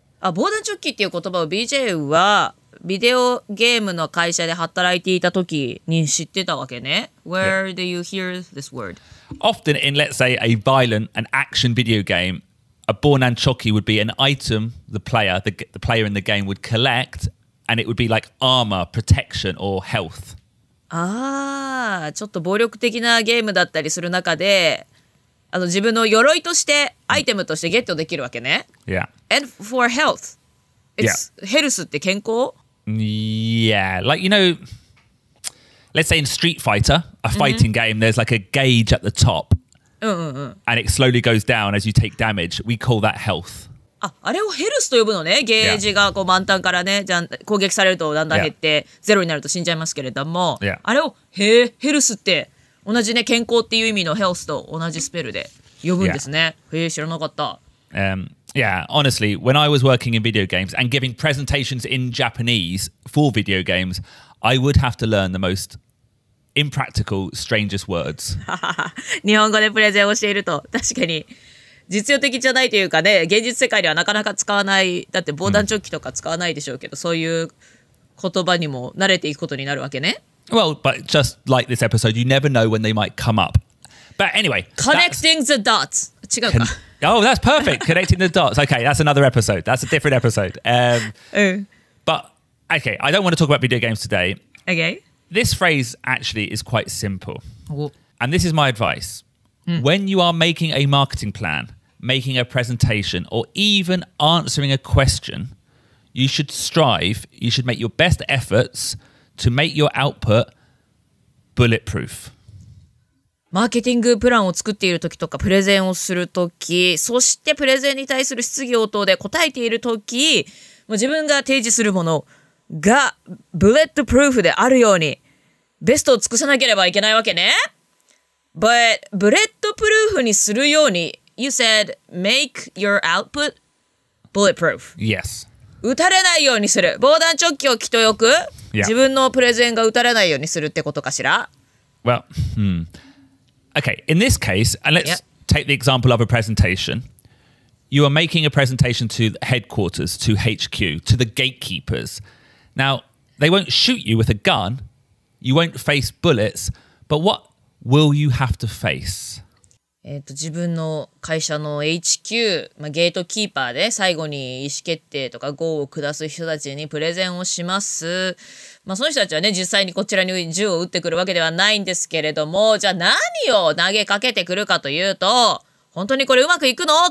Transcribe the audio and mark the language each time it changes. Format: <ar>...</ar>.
<ja>あ、bonanchoki っていう言葉を BJ はビデオゲームの会社で働いていた時に知ってたわけね。</ja> <en>Where、yeah. do you hear this word? Often in, let's say, a violent and action video game. A bonanchoki would be an item the player in the game would collect, and it would be like armor, protection, or health.</en> <ja>Ah, ちょっと暴力的なゲームだったりする中で、あの自分の鎧としてアイテムとしてゲットできるわけね。</ja> <en>Yeah. And for health, it's health</en> <ja>って健康?</ja> <en>Yeah, like you know, let's say in Street Fighter, a fighting game, there's like a gauge at the top. And it slowly goes down as you take damage. We call that health.</en> <ja>あ、あれをヘルスと呼ぶのね。ゲージがこう満タンからね、じゃん、攻撃されるとだんだん減って、ゼロになると死んじゃいますけれども、あれをへーヘルスって同じね、健康っていう意味のヘルスと同じスペルで呼ぶんですね。へー、知らなかった。</ja> <en>Yeah, honestly, when I was working in video games and giving presentations in Japanese for video games, I would have to learn the mostimpractical, strangest words.</en> <ja>日本語でプレゼンをしていると確かに実用的じゃないというかね、現実世界ではなかなか使わない、だって防弾チョッキとか使わないでしょうけど、そういう言葉にも慣れていくことになるわけね。</ja> <en>Well, but just like this episode, you never know when they might come up. But anyway, connecting the dots.</en> <ja>違うか。</ja> <en>Oh, that's perfect. Connecting the dots. Okay, that's another episode. That's a different episode. But okay, I don't want to talk about video games today. Okay. This phrase actually is quite simple. And this is my advice. When you are making a marketing plan, making a presentation, or even answering a question, you should strive, you should make your best efforts to make your output bulletproof.</en> <ja>マーケティングプランを作っている時とか、プレゼンをする時、そしてプレゼンに対する質疑応答で答えている時、もう自分が提示するものがブレットプルーフであるようにベストを尽くさなければいけないわけね。</ja> <en>But</en> <ja>ブレットプルーフにするように</ja> <en>You said make your output bulletproof. Yes.</en> <ja>打たれないようにする。防弾チョッキを着ておく、</ja> <en>yeah.</en> <ja>自分のプレゼンが打たれないようにするってことかしら。</ja> <en>Well, Okay, in this case, and let's take the example of a presentation. You are making a presentation to the headquarters, to HQ, to the gatekeepers. Now, they won't shoot you with a gun, you won't face bullets, but what will you have to face?</en> <ja>自分の会社の HQ、まあ、ゲートキーパーで最後に意思決定とかゴーを下す人たちにプレゼンをします。まあ、その人たちはね、実際にこちらに銃を撃ってくるわけではないんですけれども、じゃあ何を投げかけてくるかというと、本当にこれうまくいくの?</ja>